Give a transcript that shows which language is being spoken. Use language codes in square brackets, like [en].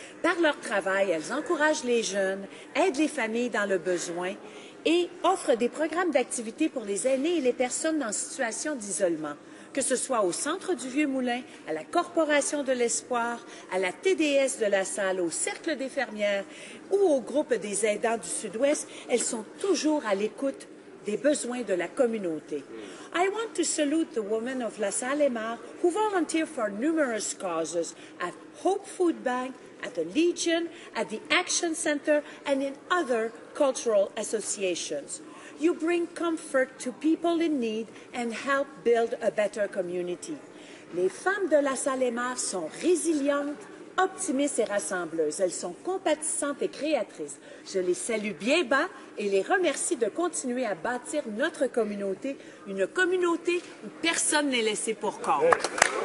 [fr] Par leur travail, elles encouragent les jeunes, aident les familles dans le besoin et offrent des programmes d'activité pour les aînés et les personnes en situation d'isolement. Que ce soit au Centre du Vieux-Moulin, à la Corporation de l'Espoir, à la TDS de la Salle, au Cercle des fermières ou au Groupe des aidants du Sud-Ouest, elles sont toujours à l'écoute des besoins de la communauté. [en] I want to salute the women of La Salle Aymar who volunteer for numerous causes at Hope Food Bank, at the Legion, at the Action Center and in other cultural associations. You bring comfort to people in need and help build a better community. [fr] Les femmes de La Salle Aymar sont résilientes, optimistes et rassembleuses. Elles sont compatissantes et créatrices. Je les salue bien bas et les remercie de continuer à bâtir notre communauté, une communauté où personne n'est laissé pour compte. Ouais.